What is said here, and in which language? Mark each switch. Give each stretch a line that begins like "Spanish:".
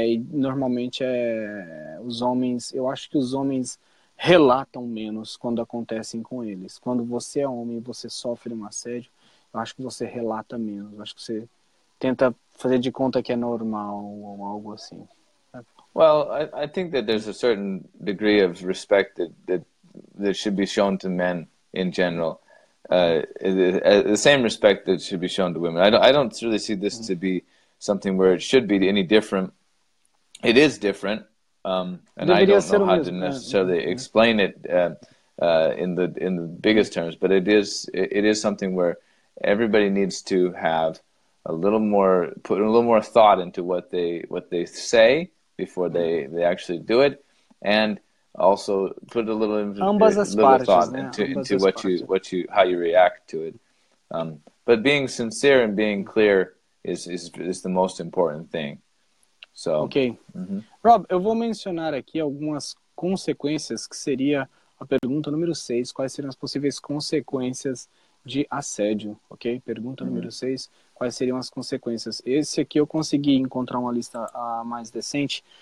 Portuguese: Normalmente os homens, eu acho que os homens relatam menos quando acontecem com eles. Quando você é homem e você sofre um assédio, eu acho que você relata menos. Eu acho que você tenta fazer de conta que é normal ou algo assim.
English: Well, I think that there's a certain degree of respect that should be shown to men in general. The same respect that should be shown to women. I don't really see this to be something where it should be any different. It is different, and I don't know how to necessarily explain it in the biggest terms. But it is something where everybody needs to have put a little more thought into what they say before they actually do it, and also put a little thought into how you react to it. But being sincere and being clear is the most important thing. So, ok. Uh-huh.
Portuguese: Rob, eu vou mencionar aqui algumas consequências que seria a pergunta número 6. Quais seriam as possíveis consequências de assédio, ok? Pergunta número 6, quais seriam as consequências? Esse aqui eu consegui encontrar uma lista mais decente.